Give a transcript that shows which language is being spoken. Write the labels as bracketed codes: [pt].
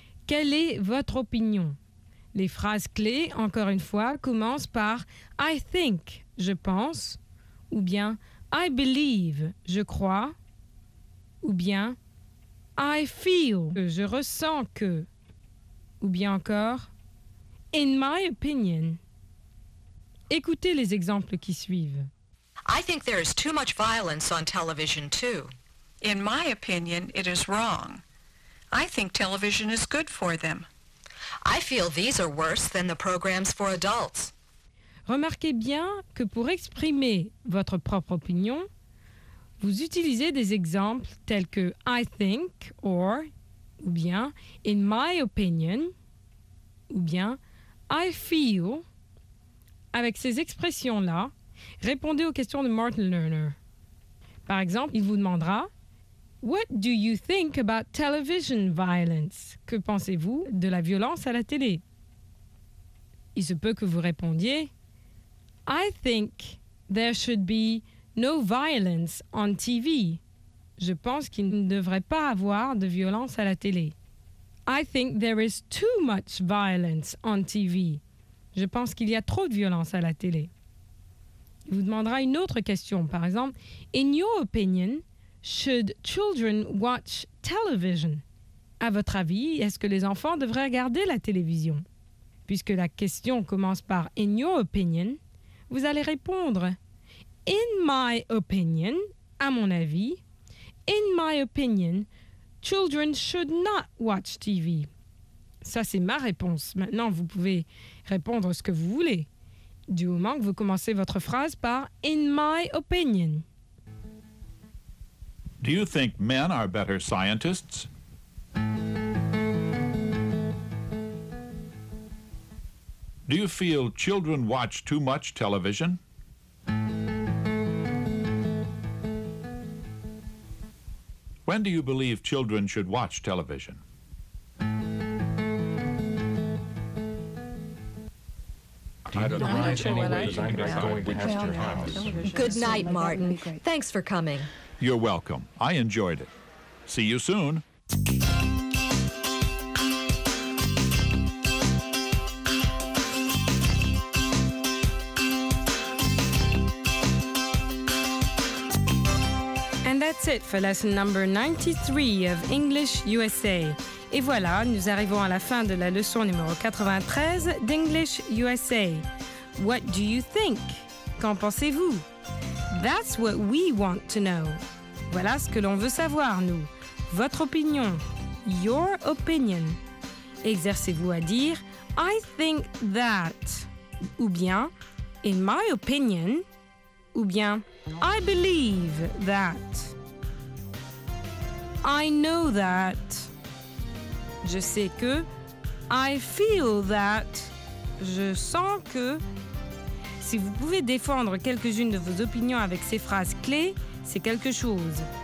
[fr] Quelle est votre opinion ? Les phrases clés, encore une fois, commencent par « I think », je pense, ou bien « I believe », je crois, ou bien « I feel », je ressens que, ou bien encore « [en] In my opinion ». [fr] Écoutez les exemples qui suivent. [en] « I think there is too much violence on television too. In my opinion, it is wrong. I think television is good for them. » I feel these are worse than the programs for adults. [fr] Remarquez bien que pour exprimer votre propre opinion, vous utilisez des exemples tels que [en] I think or [fr] ou bien [en] in my opinion [fr] ou bien [en] I feel. [fr] Avec ces expressions-là, répondez aux questions de Martin Lerner. Par exemple, il vous demandera [en] What do you think about television violence? [fr] Que pensez-vous de la violence à la télé? Il se peut que vous répondiez [en] I think there should be no violence on TV. [fr] Je pense qu'il ne devrait pas avoir de violence à la télé. [en] I think there is too much violence on TV. [fr] Je pense qu'il y a trop de violence à la télé. Il vous demandera une autre question, par exemple [en] In your opinion, Should children watch television? [fr] À votre avis, est-ce que les enfants devraient regarder la télévision? Puisque la question commence par « [en] In your opinion [fr] », vous allez répondre « [en] In my opinion [fr] », à mon avis, « [en] In my opinion, children should not watch TV ». [fr] Ça, c'est ma réponse. Maintenant, vous pouvez répondre ce que vous voulez, du moment que vous commencez votre phrase par « [en] In my opinion ». Do you think men are better scientists? Do you feel children watch too much television? When do you believe children should watch television? Good night, Martin. Thanks for coming. You're welcome. I enjoyed it. See you soon. And that's it for lesson number 93 of English USA. [fr] Et voilà, nous arrivons à la fin de la leçon numéro 93 d'English USA. [en] What do you think? [fr] Qu'en pensez-vous? [en] That's what we want to know. [fr] Voilà ce que l'on veut savoir, nous. Votre opinion. [en] Your opinion. [fr] Exercez-vous à dire [en] I think that. [fr] Ou bien [en] In my opinion. Ou bien I believe that. I know that. [fr] Je sais que [en] I feel that. [fr] Je sens que... Si vous pouvez défendre quelques-unes de vos opinions avec ces phrases clés, c'est quelque chose.